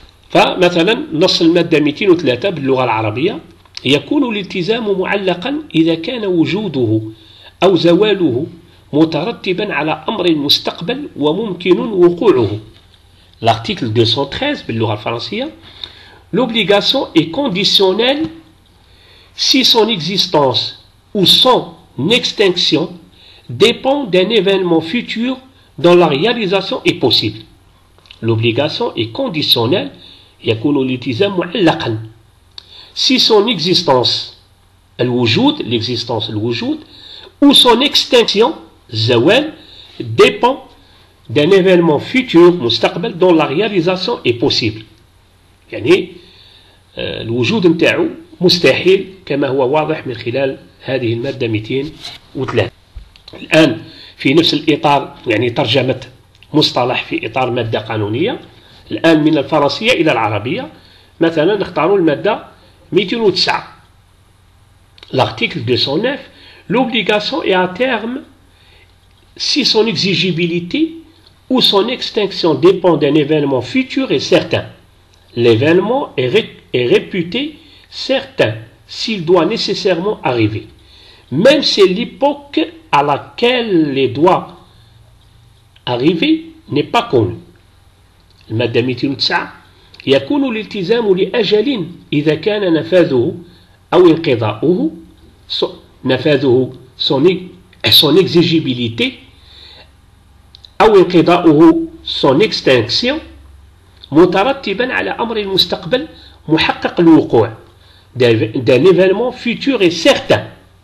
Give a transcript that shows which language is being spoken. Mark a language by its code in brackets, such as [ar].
[ar] فمثلا نص المادة 203 باللغة العربية: يكون الالتزام معلقا إذا كان وجوده أو زواله مترتبا على أمر مستقبل وممكن وقوعه. لارتيكل 213 باللغة الفرنسية: [fr] l'obligation est conditionnelle si son existence ou son extinction dépend d'un événement futur dont la réalisation est possible. L'obligation est conditionnelle, [ar] يكون الالتزام معلقا، [fr] si son existence, [ar] الوجود, [fr] l'existence, [ar] الوجود, [fr] ou son extinction, [ar] زوال, [fr] dépend d'un événement futur, [ar] مستقبل, [fr] dont la réalisation est possible. [ar] يعني الوجود نتاعو مستحيل كما هو واضح من خلال هذه المادة 203. الآن في نفس الإطار، يعني ترجمة مصطلح في إطار مادة قانونية، الآن من الفرنسية إلى العربية، مثلا نختاروا المادة 209. [fr] لارتيكل 209: l'obligation est à terme si son exigibilité ou son extinction dépend d'un événement futur et certain. L'événement est réputé certain s'il doit nécessairement arriver. Même si l'époque à laquelle il doit arriver n'est pas connue. [ar] المادة 209: يكون الالتزام لأجل إذا كان نفاذه أو انقضاؤه، نفاذه [fr] son exigibilité [ar] أو انقضاؤه [fr] son extinction [ar] مترتبا على أمر المستقبل محقق الوقوع، [fr] d'un événement futur et certain.